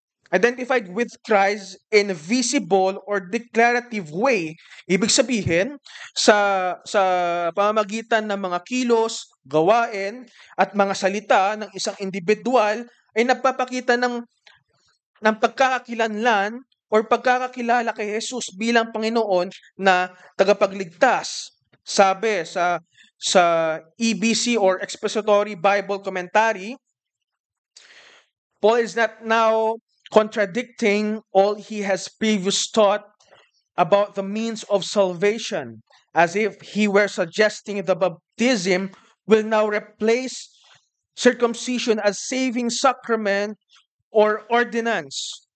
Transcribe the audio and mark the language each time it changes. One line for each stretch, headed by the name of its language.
English: identified with Christ in a visible or declarative way.
Filipino: Ibig sabihin, sa pamamagitan ng mga kilos, gawain, at mga salita ng isang individual ay napapakita ng pagkakakilanlan or pagkakakilala kay Jesus bilang Panginoon na tagapagligtas. Sabi sa
English: EBC or Expository Bible Commentary, Paul is not now contradicting all he has previously taught about the means of salvation, as if he were suggesting the baptism will now replace circumcision as saving sacrament or ordinance.